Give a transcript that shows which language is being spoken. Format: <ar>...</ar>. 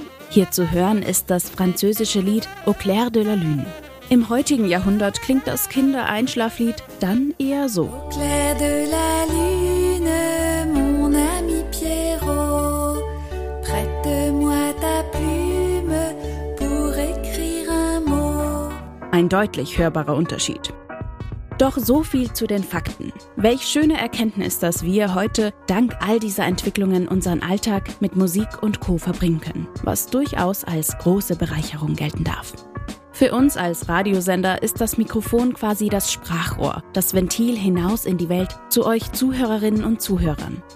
<de>Hier zu hören ist das französische Lied Au clair de la lune. Im heutigen Jahrhundert klingt das Kindereinschlaflied dann eher so.</de> <fr>Au clair de la lune, mon ami Pierrot, prête-moi ta plume pour écrire un mot.</fr> <de>Ein deutlich hörbarer Unterschied. Doch so viel zu den Fakten. Welch schöne Erkenntnis, dass wir heute, dank all dieser Entwicklungen, unseren Alltag mit Musik und Co. verbringen können, was durchaus als große Bereicherung gelten darf. Für uns als Radiosender ist das Mikrofon quasi das Sprachrohr, das Ventil hinaus in die Welt zu euch Zuhörerinnen und Zuhörern.</de>